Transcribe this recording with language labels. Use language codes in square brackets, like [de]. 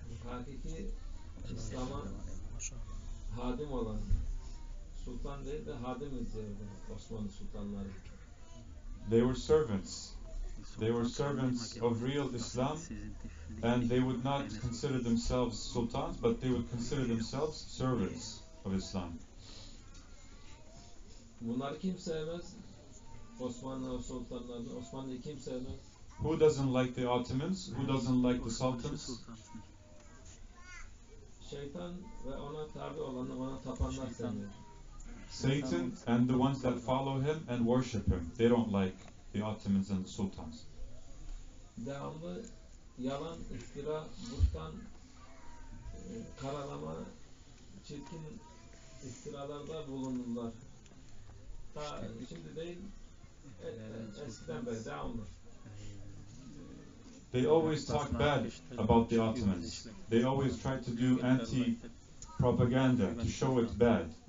[tr] Hakiki İslam'a hadim olan sultan değil de hadim izleyen Osmanlı sultanları. [en] They were servants. They were servants of real Islam, and they would not consider themselves sultans, but they would consider themselves servants of Islam. [tr] Bunları kim sevmez? Osmanlı sultanlarını, Osmanlı'yı kim sevmez? [en] Who doesn't like the Ottomans? Who doesn't like the sultans? [tr] Şeytan ve ona tabi olanlar, ona tapanlar sevmiyor. [en] Satan and the ones that follow him and worship him, they don't like the Ottomans and the sultans. [tr] Devamlı yalan, iftira, buhtan, karalama, çirkin iftiralarda bulundular. Ta şimdi değil, eskiden beri devamlı. [en] They always talk bad about the Ottomans. They always try to do anti-propaganda to show it bad.